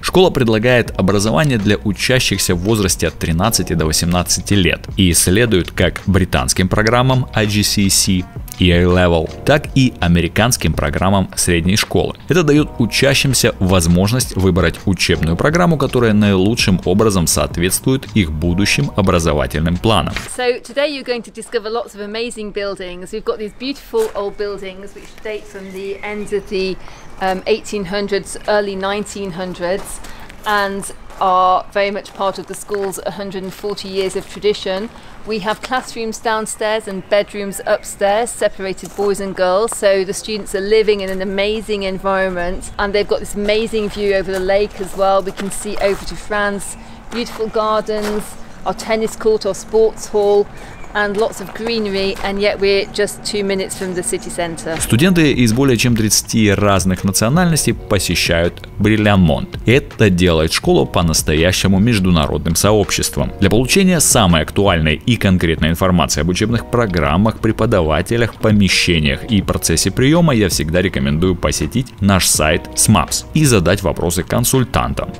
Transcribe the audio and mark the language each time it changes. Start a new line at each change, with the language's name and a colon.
Russian: Школа предлагает образование для учащихся в возрасте от 13 до 18 лет и следует как британским программам IGCSE и A-Level, так и американским программам средней школы. Это дает учащимся возможность выбрать учебную программу, которая наилучшим образом соответствует их будущим образовательным планам.
English: So today you're going to discover lots of amazing buildings. We've got these beautiful old buildings which date from the end of the 1800s, early 1900s, and are very much part of the school's 140 years of tradition. We have classrooms downstairs and bedrooms upstairs, separated boys and girls, so the students are living in an amazing environment, and they've got this amazing view over the lake as well. We can see over to France, beautiful gardens, our tennis court, our sports hall, and lots of greenery, and yet we're just 2 minutes from the city center.
Russian: Студенты из более чем 30 разных национальностей посещают Бриллиамонт. Это делает школу по-настоящему международным сообществом. Для получения самой актуальной и конкретной информации об учебных программах, преподавателях, помещениях и процессе приема, я всегда рекомендую посетить наш сайт SMAPS и задать вопросы консультантам.